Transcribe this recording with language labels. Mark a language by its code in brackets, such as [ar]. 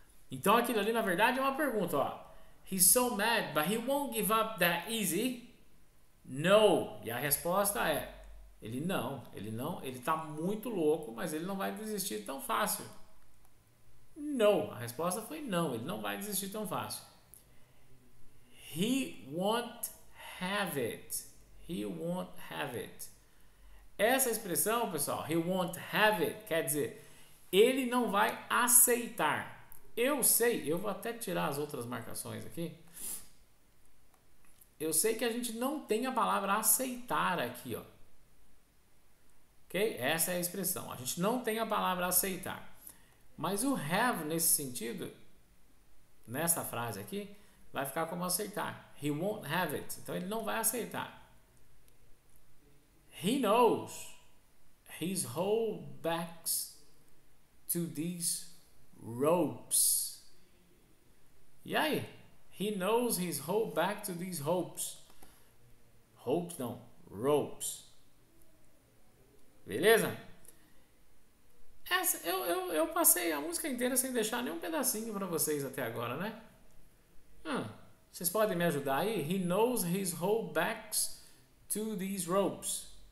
[pt] Então aquilo ali na verdade é uma pergunta, ó. [en] He's so mad, but he won't give up that easy. No. [pt] E a resposta é: ele não, ele não, ele tá muito louco, mas ele não vai desistir tão fácil. No, a resposta foi não, ele não vai desistir tão fácil. [en] He won't have it. He won't have it. [pt] Essa expressão, pessoal, [en] he won't have it, [pt] quer dizer, ele não vai aceitar. Eu sei, eu vou até tirar as outras marcações aqui. Eu sei que a gente não tem a palavra aceitar aqui, ó. Ok? Essa é a expressão. A gente não tem a palavra aceitar. Mas o have nesse sentido, nessa frase aqui, vai ficar como aceitar. [en] He won't have it. [pt] Então ele não vai aceitar. [en] He knows his whole backs to these ropes. [pt] E aí? [en] He knows his whole back to these ropes. [pt] Ropes não, ropes. Beleza? Essa, eu passei a música inteira sem deixar nenhum pedacinho para vocês até agora, né? Vocês podem me ajudar aí? [en] He knows his whole backs to these ropes.